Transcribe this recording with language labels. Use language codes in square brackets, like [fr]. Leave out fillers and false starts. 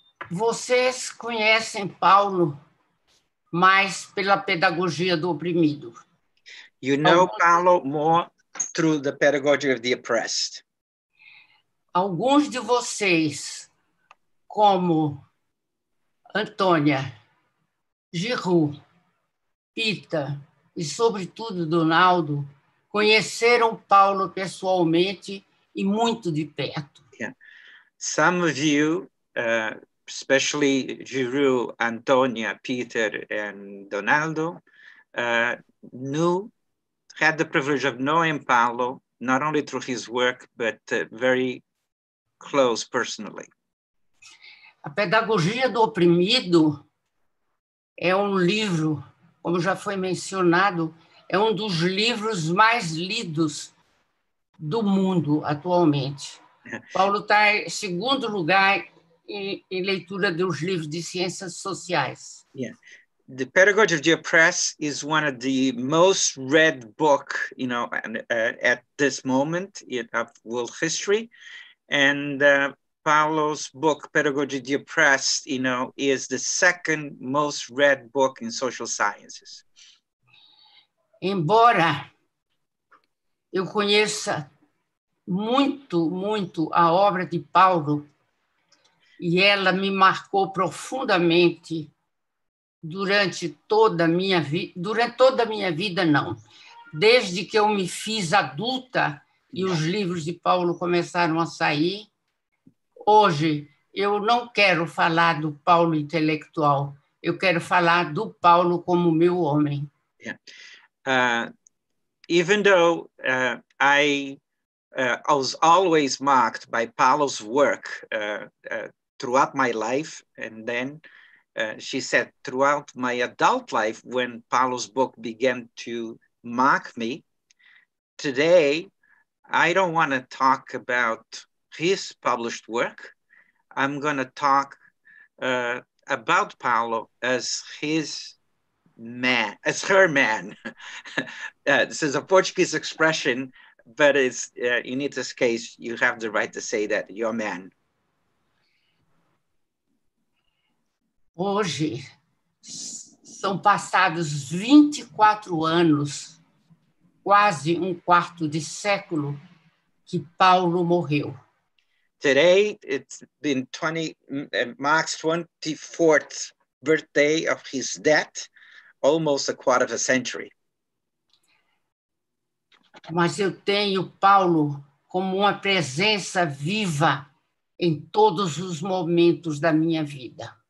[pt] Vocês conhecem Paulo mais pela pedagogia do oprimido. [en] You know Paulo more through the pedagogy of the oppressed. [pt] Alguns de vocês, como Antonia, Giroux, Pita e, sobretudo, Donaldo, conheceram Paulo pessoalmente e muito de perto. [en] Yeah. Some of you, especially Giroux, Antonia, Peter, and Donaldo, had the privilege of knowing Paulo, not only through his work, but very close personally. [pt] A Pedagogia do Oprimido é um livro, como já foi mencionado, é um dos livros mais lidos do mundo atualmente. Paulo está em segundo lugar em leitura dos livros de ciências sociais. [en] Yeah. The Pedagogy of the Oppressed is one of the most read book, you know, at this moment of world history. And Paulo's book, Pedagogy of the Oppressed, you know, is the second most read book in social sciences. [pt] Embora eu conheça muito, muito a obra de Paulo, e ela me marcou profundamente durante toda a minha vida, desde que eu me fiz adulta e os livros de Paulo começaram a sair, hoje eu não quero falar do Paulo intelectual, eu quero falar do Paulo como meu homem. [en] Yeah. Even though I was always marked by Paulo's work throughout my life, and then she said, throughout my adult life, when Paulo's book began to mark me, today, I don't want to talk about his published work. I'm going to talk about Paulo as his man, as her man. This is a Portuguese expression, but it's in Nita's case, you have the right to say that, your man. [pt] Hoje, são passados 24 anos, quase um quarto de século, que Paulo morreu. [en] Today, it's been Mark's 24th birthday of his death, almost a quarter of a century. [pt] Mas eu tenho Paulo como uma presença viva em todos os momentos da minha vida.